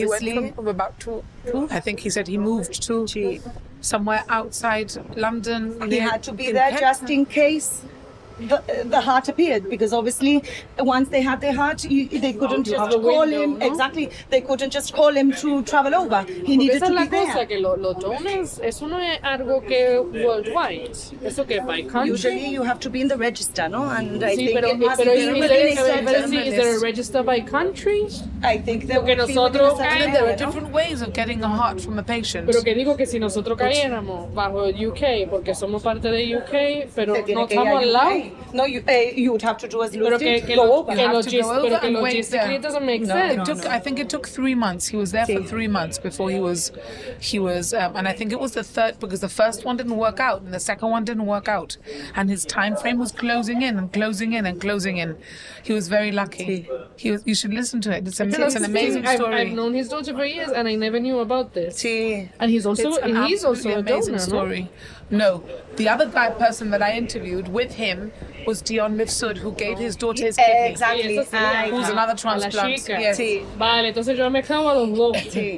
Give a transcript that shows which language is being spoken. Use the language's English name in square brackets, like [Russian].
[English] he went from about two. I think he said he moved to somewhere outside London. He had to be there just in case the heart appeared, because obviously once they had their heart, they couldn't just call him. Exactly, they couldn't just call him to travel over. He needed to be there. [Spanish] Esa es la cosa, que los donos, eso no es algo que worldwide. Eso que by country. [English] Usually you have to be in the register, no? And I is there a register by country? I think there would be. Porque nosotros caemos. There are different ways of getting a heart from a patient. [Spanish] Pero que digo que si nosotros cayéramos bajo UK, porque somos parte de UK, pero no estamos al lado. [English] No, you would have to do as Luis did. It doesn't make sense. I think it took 3 months. He was there for 3 months before he was. And I think it was the third, because the first one didn't work out and the second one didn't work out. And his time frame was closing in. He was very lucky. You should listen to it. It's an amazing story. I've known his daughter for years and I never knew about this. [Spanish] Sí. [English] And he's also an amazing donor, story. No, the other person that I interviewed with him was Dion Mifsud, who gave his daughter his kidney. Exactly. Who's another transplant. Yes. [Spanish] Vale, entonces yo me quedo a los dos.